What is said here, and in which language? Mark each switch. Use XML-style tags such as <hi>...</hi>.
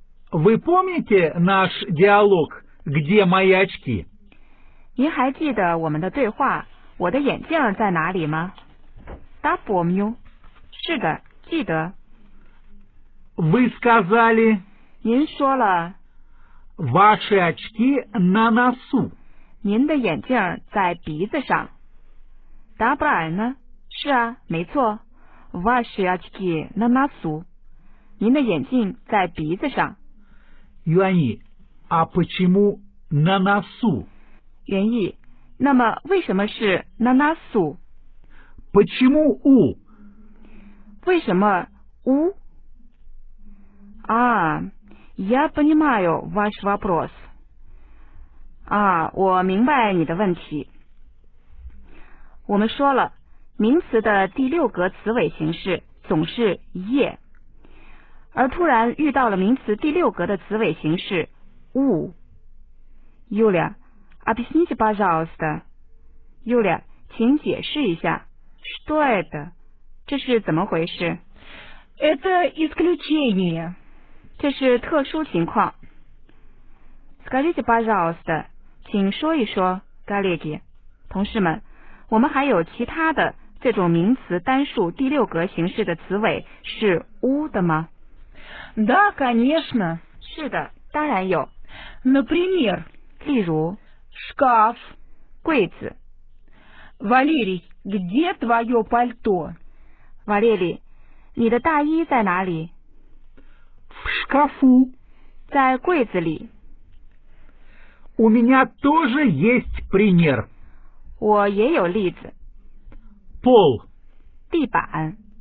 <ru>Вы помните наш диалог «Где мои очки?»</ru> <zh>您还记得我们的对话我的眼镜在哪里吗？</zh> <ru>Да, помню.</ru> <zh>是的，记得。</zh> <ru>Вы сказали...</ru> <zh>您说了...</zh> <ru>Ваши очки на носу.</ru> <zh>您的眼镜在鼻子上。答不然呢？是啊，没错。</zh> <ru>Ваши очки на носу。</ru> <zh>您的眼镜在鼻子上。</zh> <ru>袁毅， а почему на носу?</ru> <zh>袁毅，那么为什么是</zh> <ru>на носу? Почему у?</ru> <zh>为什么</zh> <ru>у? А, я понимаю ваш вопрос.</ru> <zh>啊，我明白你的问题。我们说了，名词的第六格词尾形式总是ye，而突然遇到了名词第六格的词尾形式物。</zh> <ru>Юля, объясните, пожалуйста.</ru> <zh>Юля, 请解释一下。</zh> <ru>Что это?</ru> <zh>这是怎么回事？</zh> <ru>Это исключение.</ru> <zh>这是特殊情况。</zh> <ru>Скажите, пожалуйста.</ru> <zh>请说一说 ,Галеги, 同事们，我们还有其他的这种名词单数第六格形式的词尾是 u 的吗？</zh> <ru>Да, конечно.</ru> <zh>是的，当然有。</zh> <ru>Например,</ru> <zh>例如</zh> <ru>шкаф,</ru> <zh>柜子。</zh> <ru>Валерий, где твое пальто?</ru> <zh>Валерий, 你的大衣在哪里？</zh> <ru>В шкафу.</ru> <zh>在柜子里。</zh> <ru>У меня тоже есть пример.</ru> <zh>我也有例子.</zh> <ru>Пол.</ru> <zh>地板.</zh>